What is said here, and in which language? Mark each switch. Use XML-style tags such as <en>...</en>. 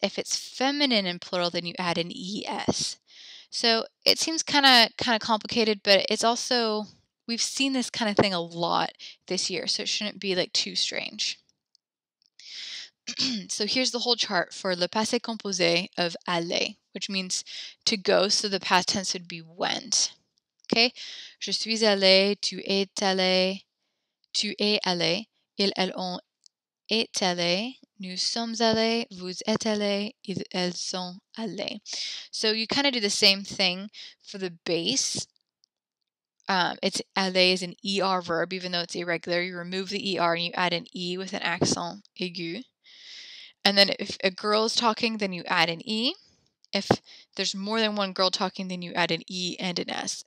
<en>If it's feminine and plural, then you add an ES. So it seems kind of complicated, but it's also, we've seen this kind of thing a lot this year, so it shouldn't be like too strange. So here's the whole chart for le passé composé of aller, which means to go, so the past tense would be went. Okay?</en> <fr>Je suis allé, tu es allé, ils, elles ont est allé, nous sommes allés, vous êtes allés, ils, elles sont allés.</fr> <en>So you kind of do the same thing for the base. It's aller is an ER verb, even though it's irregular. You remove the ER and you add an E with an accent aigu. And then if a girl is talking, then you add an E. If there's more than one girl talking, then you add an E and an S.</en>